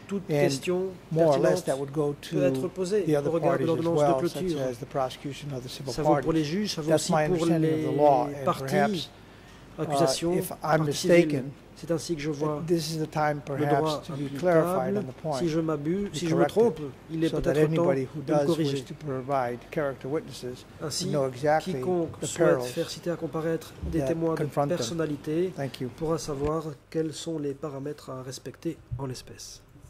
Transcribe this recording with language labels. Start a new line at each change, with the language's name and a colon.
English: And more or less, that would go to the other parties as well, such as the prosecution or the civil parties. That's my understanding of the law, and perhaps, if I'm mistaken, this is the time, perhaps, to be clarified on the point.
French: Si je me trompe, il est peut-être temps de corriger.
English: So that anybody who does wish to provide character witnesses know exactly the perils that confront them. Thank you.
French: Pourra savoir quels sont les paramètres à respecter en l'espèce.